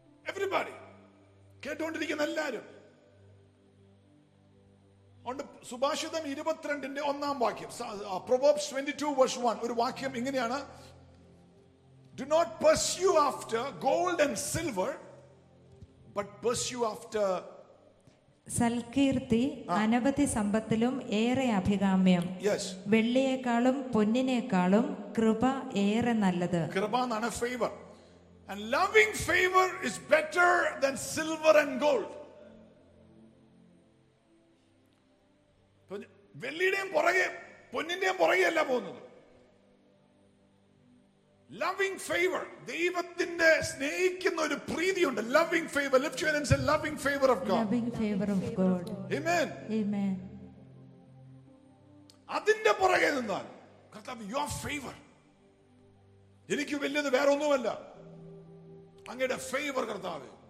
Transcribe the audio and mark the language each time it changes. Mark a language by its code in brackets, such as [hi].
[en] Everybody. [ml] കേട്ടുകൊണ്ടിരിക്കുന്ന എല്ലാവരും ഉണ്ട് സുഭാഷിതം 22:1 Proverbs 22:1 ഒരു വാക്യം ഇങ്ങനെയാണ് [en] Do not pursue after gold and silver, but pursue after [ml] Salkeerthi അനവധി സമ്പത്തിലും ഏറെ അഭികാമ്യം. [en] Yes. [ml] വെള്ളിയേക്കാളും പൊന്നിനേക്കാളും കൃപ ഏറെ നല്ലത്. കൃപ എന്നാണ് favour. [en] And loving favor is better than silver and gold. [ml] വെള്ളിയുടെയും പുറകെ പൊന്നിന്റെയും പുറകെയല്ല പോകുന്നത്. [en] Loving favor, [ml] ദൈവത്തിന്റെ സ്നേഹിക്കുന്ന ഒരു പ്രീതിയുണ്ട്. [en] Loving favor, lift your hands and say, loving favor of God. Loving favor of God. Amen. Amen. [ml] അതിന്റെ പുറകെ നിന്നാൽ കർത്താവ് [en] your favor. [ml] എനിക്ക് വലിയത് വേറെ ഒന്നുമല്ല, അങ്ങയുടെ ഫേവർ കർത്താവ്.